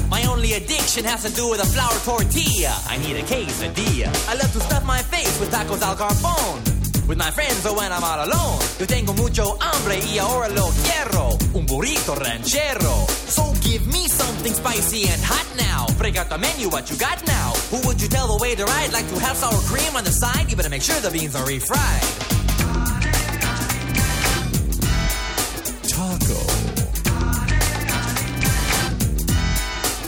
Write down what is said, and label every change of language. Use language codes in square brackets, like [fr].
[en] My only addiction has to do with a flour tortilla. I need a quesadilla. I love to stuff my face with tacos al carbón. With my friends or when I'm all alone. [es] Yo tengo mucho hambre y ahora lo quiero. Un burrito ranchero. [en] So give me something spicy and hot now. Break out the menu, what you got now? Who would you tell the waiter I'd like to have sour cream on the side? You better make sure the beans are refried. Taco.